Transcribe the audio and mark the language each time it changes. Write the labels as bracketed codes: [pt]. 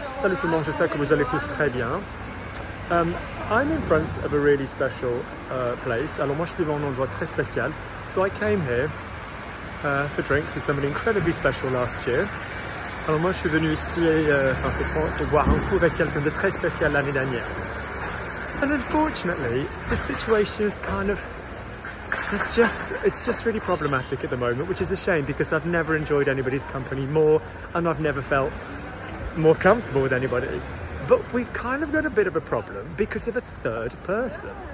[fr] Salut tout le monde, j'espère que vous allez tous très bien. [en] I'm in front of a really special place. [fr] Alors moi je suis devant un endroit très spécial. [en] So I came here for drinks with somebody incredibly special last year. [fr] Alors moi je suis venu ici pour boire un coup avec quelqu'un de très spécial l'année dernière. [en] And unfortunately, the situation is kind of, it's just really problematic at the moment, which is a shame because I've never enjoyed anybody's company more and I've never felt more comfortable with anybody. But we've kind of got a bit of a problem because of a third person.